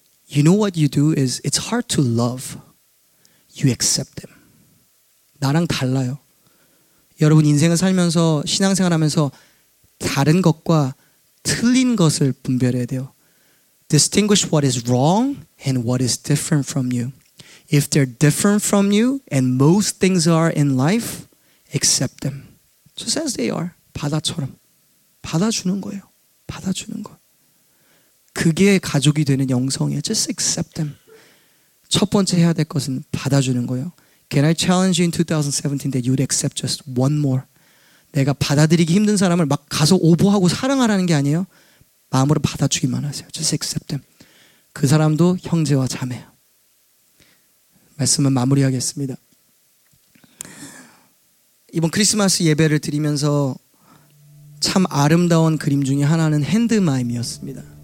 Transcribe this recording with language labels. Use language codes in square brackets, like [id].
[en] You know what you do is it's hard to love. You accept them. [ko] 나랑 달라요. 여러분 인생을 살면서 신앙생활하면서 다른 것과 틀린 것을 분별해야 돼요. [en] Distinguish what is wrong and what is different from you. If they're different from you and most things are in life, accept them. Just as they are. [ko] 바다처럼. 받아주는 거예요. 받아주는 거. 그게 가족이 되는 영성이에요. [en] Just accept them. [ko] 첫 번째 해야 될 것은 받아주는 거예요. [en] Can I challenge you in 2017 that you would accept just one more? [ko] 내가 받아들이기 힘든 사람을 막 가서 오버하고 사랑하라는 게 아니에요. 마음으로 받아주기만 하세요. [en] Just accept them. [ko] 그 사람도 형제와 자매야. 말씀은 마무리하겠습니다. 이번 크리스마스 예배를 드리면서 참 아름다운 그림 중에 하나는 핸드마임이었습니다.